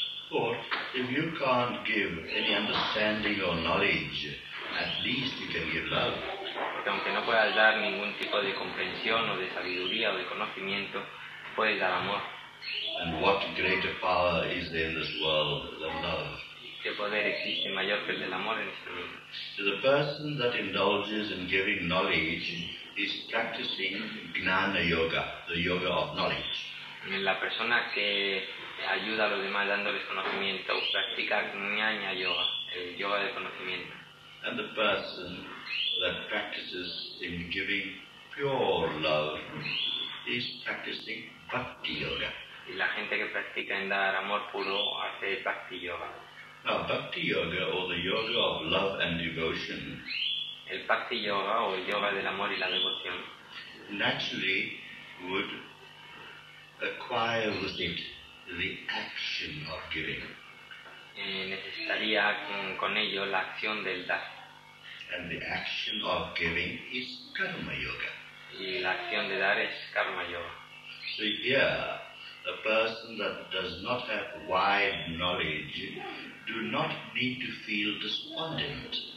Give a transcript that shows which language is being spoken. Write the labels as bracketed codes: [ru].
[en] For if you can't give any understanding or knowledge, at least you can give love. [es] Porque aunque no puedas dar ningún tipo de comprensión o de sabiduría o de conocimiento, puedes dar amor. [en] And what greater power is there in this world than love? [es] ¿Qué poder existe mayor que el del amor en este mundo? [en] To the person that indulges in giving knowledge is practicing gnana yoga, the yoga of knowledge. [es] La persona que ayuda a los demás dándoles conocimiento practica gnana yoga, el yoga del conocimiento. [en] And the person that practices in giving pure love is practicing bhakti yoga. [es] Y la gente que practica en dar amor puro hace bhakti yoga. [en] Now bhakti yoga or the yoga of love and devotion. [es] El bhakti yoga o el yoga del amor y la devoción. [en] Naturally would acquire with it the action of giving. [es] Necesitaría con ello la acción del dar. [en] And the action of giving is karma yoga. [es] Y la acción de dar es karma yoga. [en] So here, a person that does not have wide knowledge do not need to feel despondent.